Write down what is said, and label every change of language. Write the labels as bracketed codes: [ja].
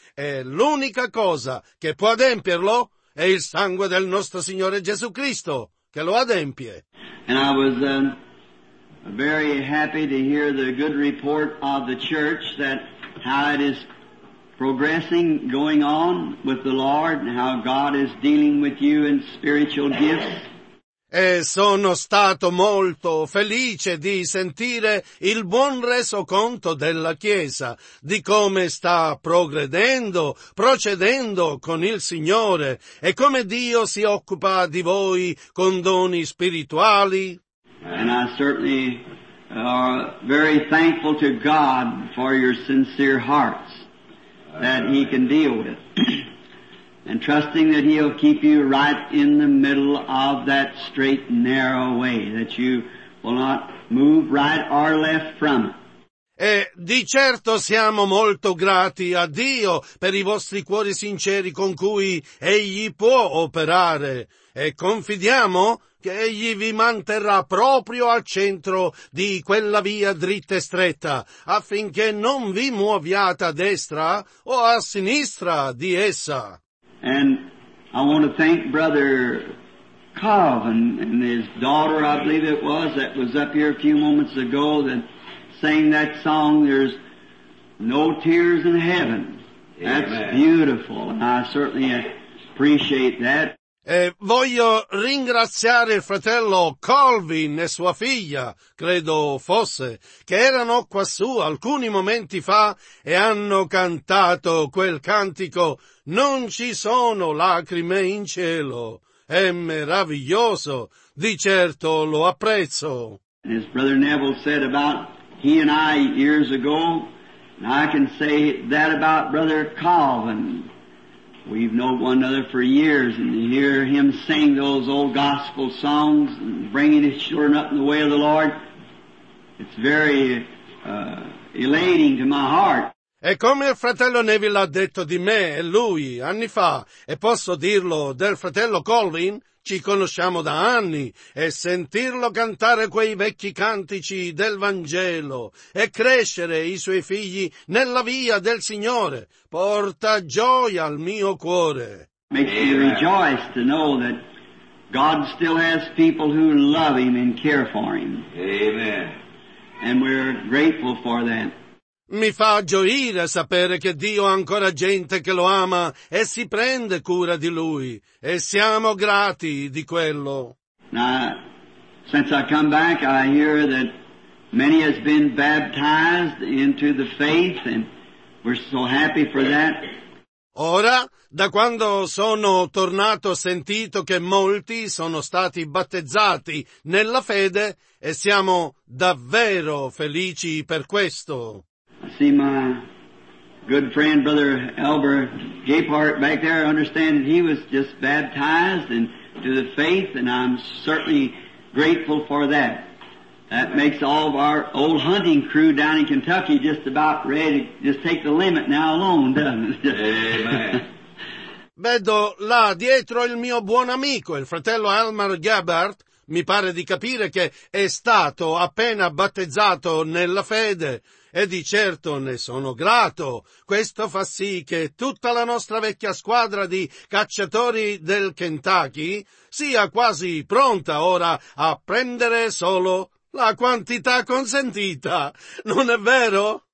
[it] E l'unica cosa che può adempierlo è il sangue del nostro Signore Gesù Cristo, che lo adempie. [en] And I was very happy to hear the good report of the church, that how it is progressing, going on with the Lord, and how God is dealing with you in spiritual gifts. [it] E sono stato molto felice di sentire il buon resoconto della Chiesa, di come sta procedendo con il Signore, e come Dio si occupa di voi con doni spirituali. [en] And I certainly are very thankful to God for your sincere hearts that He can deal with. And trusting that He'll keep you right in the middle of that straight, narrow way, that you will not move right or left from it. [it] E di certo siamo molto grati a Dio per i vostri cuori sinceri con cui Egli può operare, e confidiamo che Egli vi manterrà proprio al centro di quella via dritta e stretta, affinché non vi muoviate a destra o a sinistra di essa. [en] And I want to thank Brother Cobb and his daughter, I believe it was, that was up here a few moments ago that sang that song, "There's No Tears in Heaven." That's Amen. Beautiful, and I certainly appreciate that. [it] E voglio ringraziare il fratello Colvin e sua figlia, credo fosse, che erano quassù alcuni momenti fa e hanno cantato quel cantico «Non ci sono lacrime in cielo». È meraviglioso, di certo lo apprezzo. [en] As Brother Neville said about he and I years ago, and I can say that about Brother Colvin. We've known one another for years, and to hear him sing those old gospel songs and bringing his children up in the way of the Lord, it's very elating to my heart. [it] E come il fratello Neville ha detto di me e lui anni fa, e posso dirlo del fratello Colvin, ci conosciamo da anni, e sentirlo cantare quei vecchi cantici del Vangelo e crescere i suoi figli nella via del Signore porta gioia al mio cuore. [en] Makes me rejoice to know that God still has people who love Him and care for Him. Amen. And we're grateful for that. [it] Mi fa gioire sapere che Dio ha ancora gente che lo ama e si prende cura di lui, e siamo grati di quello. [en] Now, since I come back, I hear that many has been baptized into the faith, and we're so happy for that. [it] Ora, da quando sono tornato, ho sentito che molti sono stati battezzati nella fede, e siamo davvero felici per questo. [en] I see my good friend, Brother Elber Gapehart, back there. I understand that he was just baptized and to the faith, and I'm certainly grateful for that. That makes all of our old hunting crew down in Kentucky just about ready to just take the limit now alone, doesn't it? Amen. [it] Vedo là dietro il mio buon amico, il fratello Elmer Gabbard. Mi pare di capire che è stato appena battezzato nella fede, e di certo ne sono grato. Questo fa sì che tutta la nostra vecchia squadra di cacciatori del Kentucky sia quasi pronta ora a prendere solo la quantità consentita, non è vero?